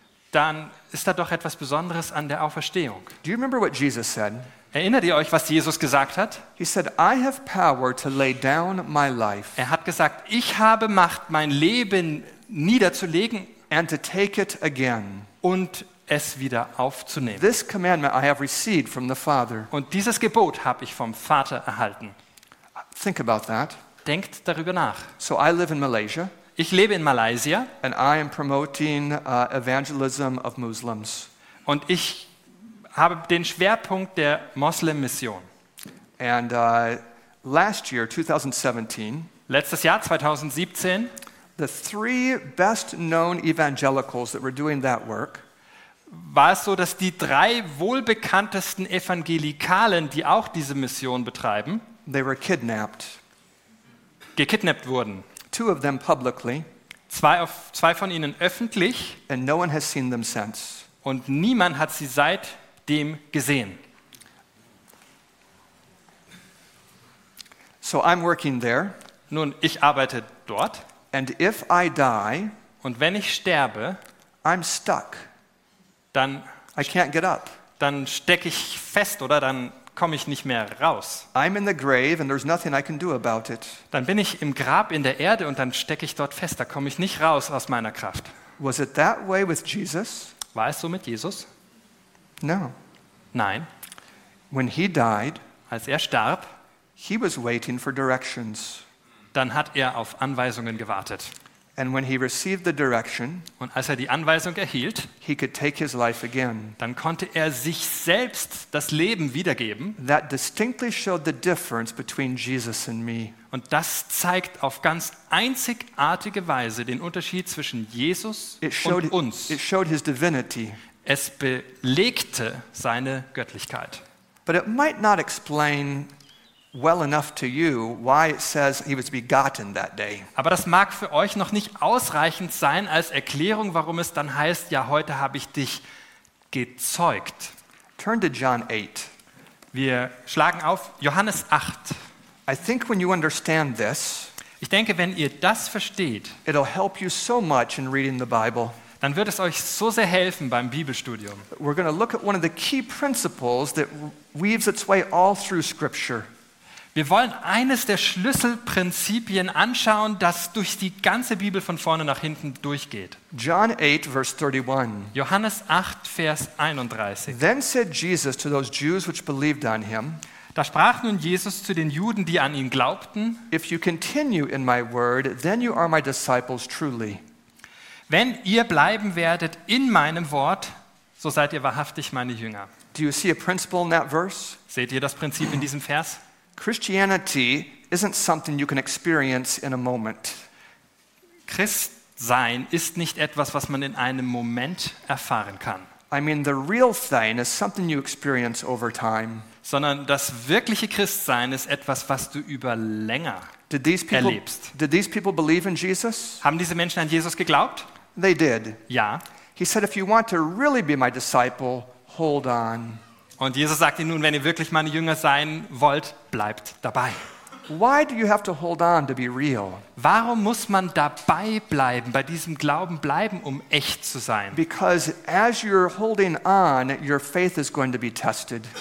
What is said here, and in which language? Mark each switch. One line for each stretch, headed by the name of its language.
German: Dann ist da doch etwas Besonderes an der Auferstehung.
English: Do you remember what Jesus said?
German: Erinnert ihr euch, was Jesus gesagt hat?
English: He said, I have power to lay down my life.
German: Er hat gesagt, ich habe Macht, mein Leben niederzulegen
English: and to take it again.
German: Und es wieder aufzunehmen.
English: This commandment I have received from the Father.
German: Und dieses Gebot habe ich vom Vater erhalten.
English: Think about that.
German: Denkt darüber nach.
English: So I live in Malaysia.
German: Ich lebe in Malaysia.
English: And I am promoting evangelism of Muslims.
German: Und ich habe den Schwerpunkt der Moslem-Mission.
English: And last year, 2017.
German: Letztes Jahr 2017.
English: The three best known evangelicals that were doing that work.
German: War es so, dass die drei wohlbekanntesten Evangelikalen, die auch diese Mission betreiben,
English: they were kidnapped.
German: Gekidnappt wurden.
English: Two of them publicly.
German: Zwei von ihnen öffentlich.
English: And no one has seen them since.
German: Und niemand hat sie seitdem gesehen.
English: So I'm working there.
German: Nun, ich arbeite dort.
English: And if I die,
German: und wenn ich sterbe,
English: I'm stuck.
German: Dann,
English: I can't get up.
German: Dann stecke ich fest, oder dann komme ich nicht mehr raus.
English: I'm in the grave and there's nothing I can do about it.
German: Dann bin ich im Grab in der Erde und dann stecke ich dort fest, da komme ich nicht raus aus meiner Kraft.
English: Was it that way with Jesus?
German: War es so mit Jesus?
English: No.
German: Nein.
English: When he died,
German: als er starb,
English: he was waiting for directions.
German: Dann hat er auf Anweisungen gewartet.
English: And when he received the direction,
German: und als er die Anweisung erhielt,
English: he could take his life again.
German: Dann konnte er sich selbst das Leben wiedergeben.
English: That distinctly showed the difference between Jesus and me.
German: Und das zeigt auf ganz einzigartige Weise den Unterschied zwischen Jesus und uns.
English: It showed his divinity.
German: Es belegte seine Göttlichkeit.
English: But it might not explain well enough to you why it says he was begotten that day.
German: Aber das mag für euch noch nicht ausreichend sein als Erklärung, warum es dann heißt, ja, heute habe ich dich gezeugt.
English: Turn to John 8.
German: Wir schlagen auf Johannes 8.
English: I think when you understand this,
German: ich denke, wenn ihr das versteht,
English: it'll help you so much in reading the Bible.
German: Dann wird es euch so sehr helfen beim Bibelstudium.
English: We're going to look at one of the key principles that weaves its way all through scripture.
German: Wir wollen eines der Schlüsselprinzipien anschauen, das durch die ganze Bibel von vorne nach hinten durchgeht.
English: John 8, verse 31.
German: Johannes 8, Vers 31.
English: Then said Jesus to those Jews which believed on him,
German: da sprach nun Jesus zu den Juden, die an ihn glaubten,
English: if you continue in my word, then you are my disciples truly.
German: Wenn ihr bleiben werdet in meinem Wort, so seid ihr wahrhaftig meine Jünger.
English: Do you see a principle in that verse?
German: Seht ihr das Prinzip in diesem Vers?
English: Christianity isn't something you can experience in a moment.
German: Christsein ist nicht etwas, was man in einem Moment erfahren kann.
English: I mean, the real thing is something you experience over time.
German: Sondern das wirkliche Christsein ist etwas, was du über länger erlebst.
English: Did these people believe in Jesus?
German: Haben diese Menschen an Jesus geglaubt?
English: They did.
German: Ja.
English: He said, if you want to really be my disciple, hold on.
German: Und Jesus sagt ihnen nun, wenn ihr wirklich meine Jünger sein wollt, bleibt dabei.
English: Why do you have to hold on to be real?
German: Warum muss man dabei bleiben, bei diesem Glauben bleiben, um echt zu sein?
English: Because as you're holding on, your faith is going to be tested.